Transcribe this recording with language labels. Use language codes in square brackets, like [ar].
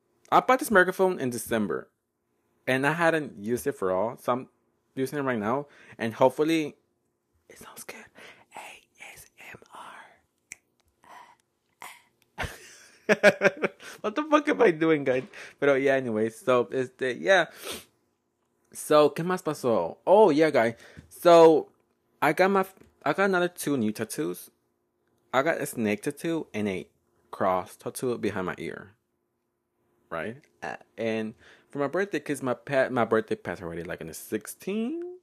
[en] I bought this microphone in December. And I hadn't used it for all. So, I'm using it right now, and hopefully it sounds good. ASMR. What the fuck am I doing, guys? But yeah, anyways, so [es] ¿qué más pasó? [en] Oh yeah, guys, so I got another two new tattoos. I got a snake tattoo and a cross tattoo behind my ear, right? And for my birthday, because my birthday passed already, like in the 16th.